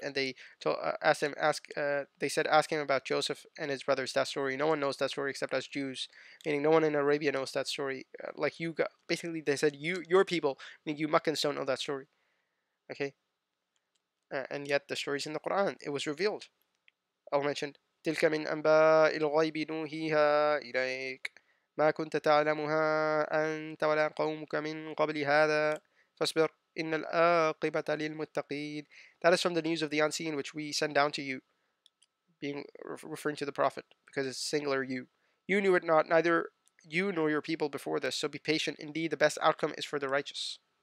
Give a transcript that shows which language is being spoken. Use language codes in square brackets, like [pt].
[en] And they ask him about Joseph and his brothers, that story. No one knows that story except us Jews, meaning no one in Arabia knows that story. Like you, basically they said, your people, meaning you Meccans don't know that story. Okay? And yet the story's in the Quran. It was revealed. I'll mention [ar] تلك من أنباء الغيب نوهيها إليك ما كنت تعلمها أنت ولا قومك من قبل هذا فاصبر إن الآقبة للمتقين. [en] That is from the news of the unseen which we send down to you, being referring to the prophet, because it's singular you. You knew it not, neither you nor your people before this, so be patient. Indeed, the best outcome is for the righteous.